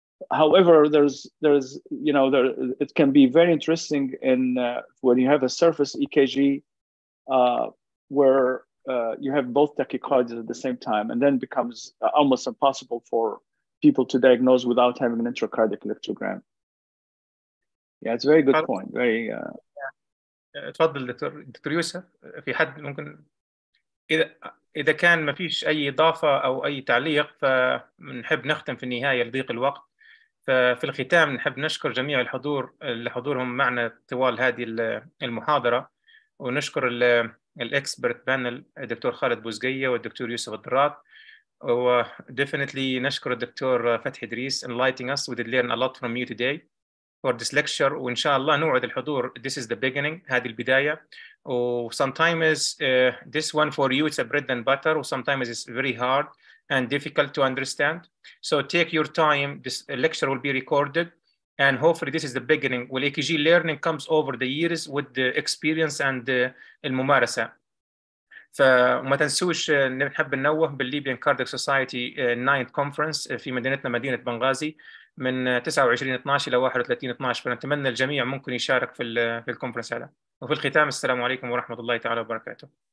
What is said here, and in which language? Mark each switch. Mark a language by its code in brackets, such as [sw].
[en] However, there's you know, there it can be very interesting in when you have a surface EKG where you have both tachycardias at the same time, and then becomes almost impossible for people to diagnose without having an intracardiac electrogram. Yeah, it's a very good point. Very. [ar] تفضل دكتور يوسف في حد ممكن إذا كان ما فيش أي إضافة أو أي تعليق فنحب نختم في النهاية لضيق الوقت ففي الختام نحب نشكر جميع الحضور اللي حضورهم معنا طوال هذه المحاضرة ونشكر الإكسبرت بانل الدكتور خالد بوزقية والدكتور يوسف الدرات وديفينتلي نشكر الدكتور فتحي إدريس [en] enlightening us with learn a lot from you today for this lecture, [ar] وإن شاء الله نوعد الحضور. [en] This is the beginning, [ar] هذه البداية. [en] Sometimes this one for you, it's a bread and butter. Sometimes it's very hard and difficult to understand. So take your time. This lecture will be recorded. And hopefully this is the beginning. Well, EKG learning comes over the years with the experience and the [ar] الممارسة. فما تنسوش نحب ننوه بالليبيان كارديك سوسايتي 9th conference في مدينتنا مدينة بنغازي. من 29/12 إلى 31/12 فنتمنى الجميع ممكن يشارك في الكونفرنس هذا وفي الختام السلام عليكم ورحمة الله تعالى وبركاته